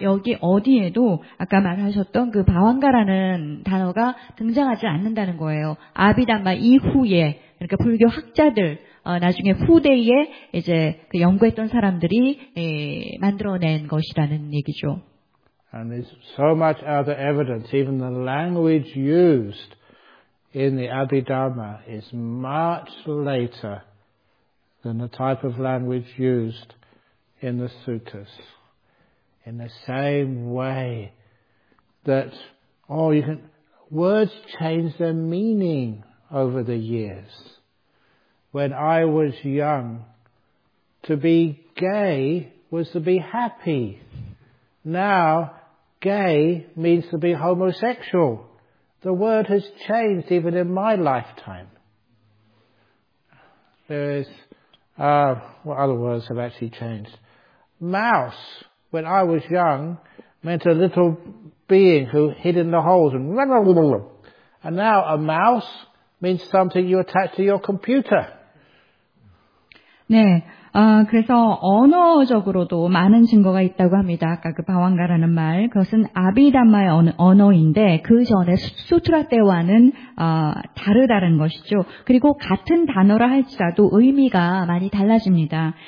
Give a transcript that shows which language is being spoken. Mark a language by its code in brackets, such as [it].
[ko] 여기 어디에도 아까 말하셨던 그 바왕가라는 단어가 등장하지 않는다는 거예요. 아비담마 이후에, 그러니까 불교 학자들, 나중에 후대에 이제 그 연구했던 사람들이 만들어낸 것이라는 얘기죠. [en] And there's so much other evidence, even the language used in the Abhidhamma is much later than the type of language used in the suttas. In the same way that, oh, you can, words change their meaning over the years. When I was young, to be gay was to be happy. Now, gay means to be homosexual. The word has changed even in my lifetime. There is, what other words have actually changed? Mouse, when I was young, meant a little being who hid in the holes and blah, blah, blah, blah. And now a mouse means something you attach to your computer. [ko] 네. 그래서 언어적으로도 많은 증거가 있다고 합니다. 아까 그 바왕가라는 말, 그것은 아비다마의 언어인데 그 전에 수트라 때와는 다르다는 것이죠. 그리고 같은 단어라 할지라도 의미가 많이 달라집니다.